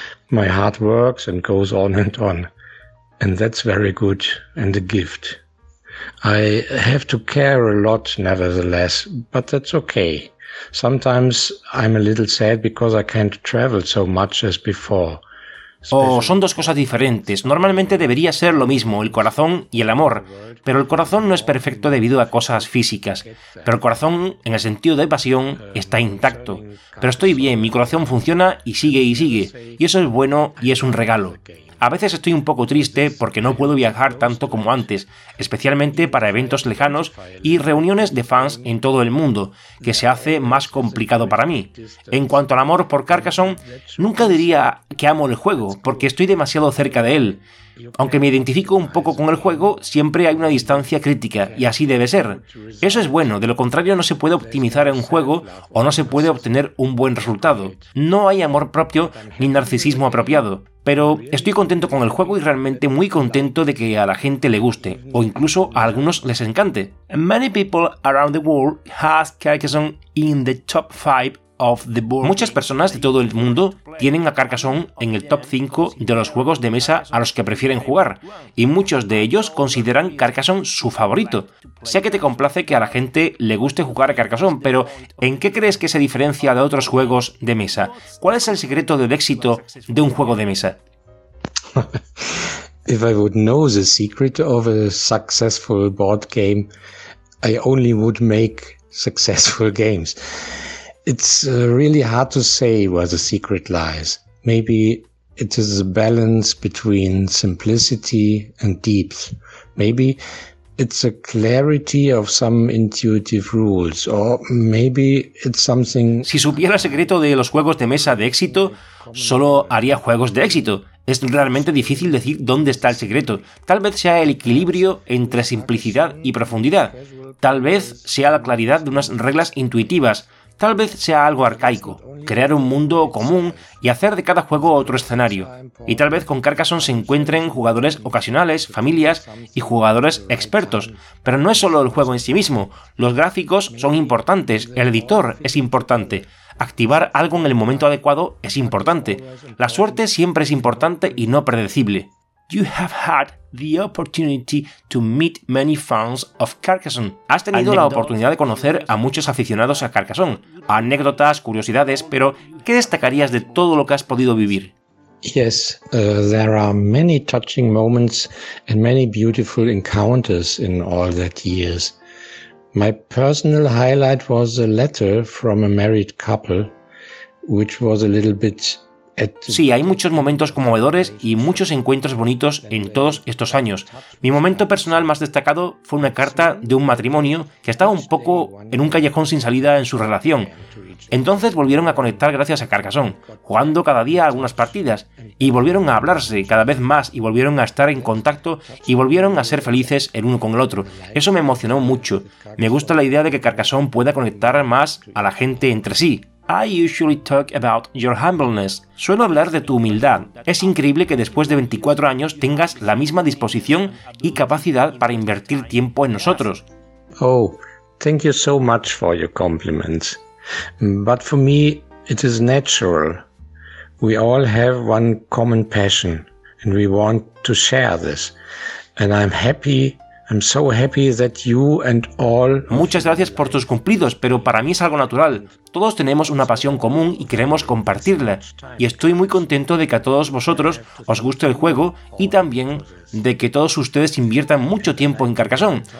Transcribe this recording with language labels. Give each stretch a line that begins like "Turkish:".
English: My heart works and goes on. And that's very good and a gift. I have to care a lot nevertheless, but that's okay. Sometimes I'm a little sad because I can't travel so much as before.
Spanish: Oh, son dos cosas diferentes. Normalmente debería ser lo mismo, el corazón y el amor. Pero el corazón no es perfecto debido a cosas físicas. Pero el corazón, en el sentido de pasión, está intacto. Pero estoy bien, mi corazón funciona y sigue. Y eso es bueno y es un regalo. A veces estoy un poco triste porque no puedo viajar tanto como antes, especialmente para eventos lejanos y reuniones de fans en todo el mundo, que se hace más complicado para mí. En cuanto al amor por Carcassonne, nunca diría que amo el juego, porque estoy demasiado cerca de él. Aunque me identifico un poco con el juego, siempre hay una distancia crítica, y así debe ser. Eso es bueno, de lo contrario no se puede optimizar un juego o no se puede obtener un buen resultado. No hay amor propio ni narcisismo apropiado. Pero estoy contento con el juego y realmente muy contento de que a la gente le guste, o incluso a algunos les encante.
English: Many people around the world has Carcassonne in the top 5 of the board.
Spanish: Muchas personas de todo el mundo tienen a Carcassonne en el top 5 de los juegos de mesa a los que prefieren jugar, y muchos de ellos consideran Carcassonne su favorito. Sé que te complace que a la gente le guste jugar a Carcassonne, pero ¿en qué crees que se diferencia de otros juegos de mesa? ¿Cuál es el secreto del éxito de un juego de mesa?
English: If I would know the secret of a successful board game, I only would make successful games. It's really hard to say where the secret lies. Maybe it is the balance between simplicity and depth. Maybe it's a clarity of some intuitive rules, or maybe it's something.
Spanish: Si supiera el secreto de los juegos de mesa de éxito, solo haría juegos de éxito. Es realmente difícil decir dónde está el secreto. Tal vez sea el equilibrio entre simplicidad y profundidad. Tal vez sea la claridad de unas reglas intuitivas. Tal vez sea algo arcaico, crear un mundo común y hacer de cada juego otro escenario. Y tal vez con Carcassonne se encuentren jugadores ocasionales, familias y jugadores expertos. Pero no es solo el juego en sí mismo, los gráficos son importantes, el editor es importante, activar algo en el momento adecuado es importante. La suerte siempre es importante y no predecible.
English: You have had the opportunity to meet many fans of Carcassonne.
Spanish: Has tenido la oportunidad de conocer a muchos aficionados a Carcassonne. Anécdotas, curiosidades, pero ¿qué destacarías de todo lo que has podido vivir?
English: Yes, there are many touching moments and many beautiful encounters in all that years. My personal highlight was a letter from a married couple, which was a little bit.
Spanish: Sí, hay muchos momentos conmovedores y muchos encuentros bonitos en todos estos años. Mi momento personal más destacado fue una carta de un matrimonio que estaba un poco en un callejón sin salida en su relación. Entonces volvieron a conectar gracias a Carcassonne, jugando cada día algunas partidas, y volvieron a hablarse cada vez más y volvieron a estar en contacto y volvieron a ser felices el uno con el otro. Eso me emocionó mucho. Me gusta la idea de que Carcassonne pueda conectar más a la gente entre sí.
English: I usually talk about your humbleness.
Spanish: Suelo hablar de tu humildad. Es increíble que después de 24 años tengas la misma disposición y capacidad para invertir tiempo en nosotros.
English: Oh, thank you so much for your compliments. But for me, it is natural. We all have one common passion and we want to share this. And I'm happy. I'm so happy that you and all.
Spanish: Muchas gracias por tus cumplidos, pero para mí es algo natural. Todos tenemos una pasión común y queremos compartirla. Y estoy muy contento de que a todos vosotros os guste el juego y también de que todos ustedes inviertan mucho tiempo en Carcassonne.